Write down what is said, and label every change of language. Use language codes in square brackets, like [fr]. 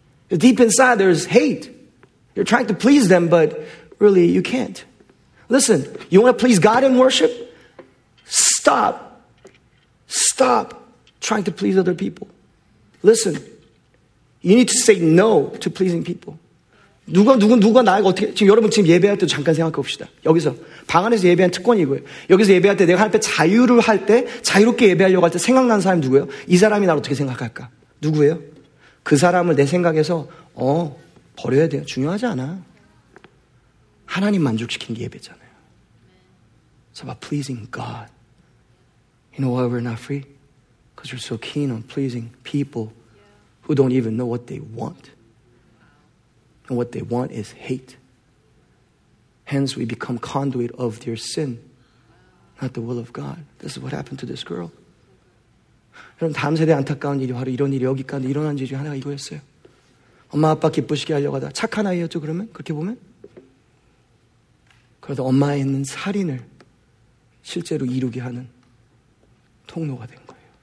[en] Deep inside, there's hate. You're trying to please them, but really, you can't. Listen, you want to please God in worship? Stop. Stop trying to please other people. Listen, you need to say no to pleasing people. [ko] 누가 나에게 어떻게, 지금 여러분 지금 예배할 때 잠깐 생각해 봅시다. 여기서 방 안에서 예배한 특권이 이거예요. 여기서 예배할 때 내가 하나님 앞에 자유를 할 때, 자유롭게 예배하려고 할 때 생각난 사람이 누구예요? 이 사람이 나를 어떻게 생각할까? 누구예요? 그 사람을 내 생각에서 버려야 돼요. 중요하지 않아. 하나님 만족시키는 게 예배잖아요. [en] It's about pleasing God. You know why we're not free? Because we're so keen on pleasing people who don't even know what they want. And what they want is hate. Hence we become conduit of their sin, not the will of God. This is what happened to this girl. [ko] 여러분, 다음 세대 안타까운 일이 바로 이런 일이 여기까지 일어난 일 중에 하나가 이거였어요. 엄마 아빠 기쁘시게 하려고 하다 착한 아이였죠. 그러면 그렇게 보면 그래도 엄마에 있는 살인을 실제로 이루게 하는 통로가 된 거예요.